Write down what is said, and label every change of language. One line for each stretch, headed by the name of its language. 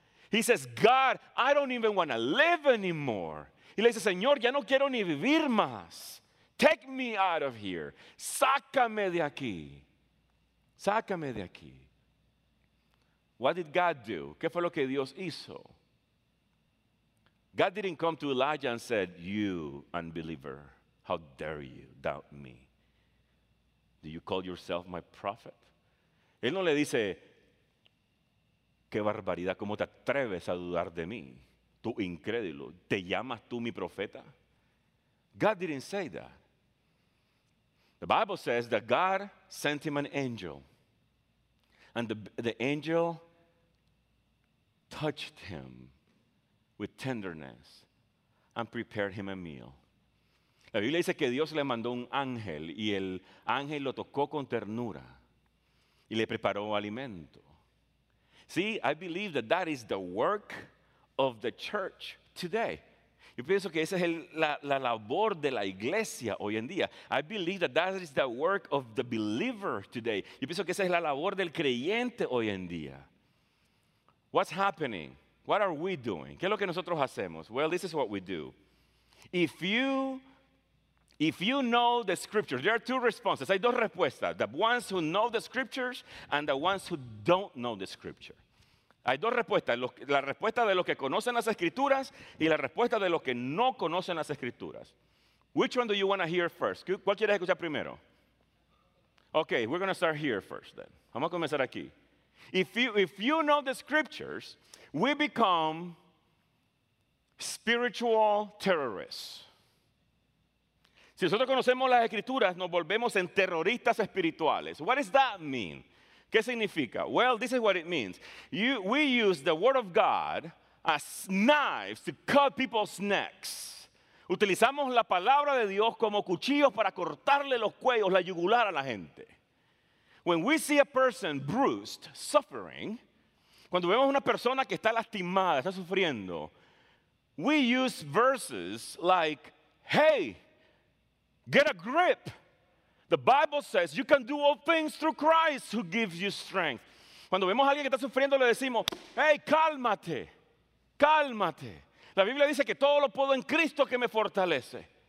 English: He says, God, I don't even want to live anymore.
Spanish: Y le dice, Señor, ya no quiero ni vivir más.
English: Take me out of here.
Spanish: Sácame de aquí. Sácame de aquí.
English: What did God do?
Spanish: ¿Qué fue lo que Dios hizo?
English: God didn't come to Elijah and said, you unbeliever, how dare you doubt me? Do you call yourself my prophet?
Spanish: Él no le dice, qué barbaridad, cómo te atreves a dudar de mí. Tú incrédulo, ¿te llamas tú mi profeta?
English: God didn't say that. The Bible says that God sent him an angel. And the angel touched him with tenderness and prepared him a meal.
Spanish: La Biblia dice que Dios le mandó un ángel y el ángel lo tocó con ternura y le preparó alimento.
English: See, I believe that that is the work of the church today.
Spanish: Yo pienso que esa es la labor de la iglesia hoy en día.
English: I believe that that is the work of the believer today.
Spanish: Yo pienso que esa es la labor del creyente hoy en día.
English: What's happening? What are we doing?
Spanish: ¿Qué es lo que nosotros hacemos?
English: Well, this is what we do. If you know the scriptures, there are two responses.
Spanish: Hay dos respuestas.
English: The ones who know the scriptures and the ones who don't know the scripture.
Spanish: Hay dos respuestas, la respuesta de los que conocen las Escrituras y la respuesta de los que no conocen las Escrituras.
English: Which one do you want to hear first?
Spanish: ¿Cuál quieres escuchar primero?
English: Okay, we're going to start here first then.
Spanish: Vamos a comenzar aquí.
English: If you know the Scriptures, we become spiritual terrorists.
Spanish: Si nosotros conocemos las Escrituras, nos volvemos en terroristas espirituales.
English: What does that mean?
Spanish: ¿Qué significa?
English: Well, this is what it means. We use the word of God as knives to cut people's necks.
Spanish: Utilizamos la palabra de Dios como cuchillos para cortarle los cuellos, la yugular a la gente.
English: When we see a person bruised, suffering,
Spanish: cuando vemos una persona que está lastimada, está sufriendo,
English: we use verses like, hey, get a grip. The Bible says you can do all things through Christ who gives you strength.
Spanish: Cuando vemos a alguien que está sufriendo, le decimos, hey, cálmate, cálmate. La Biblia dice que todo lo puedo en Cristo que me fortalece.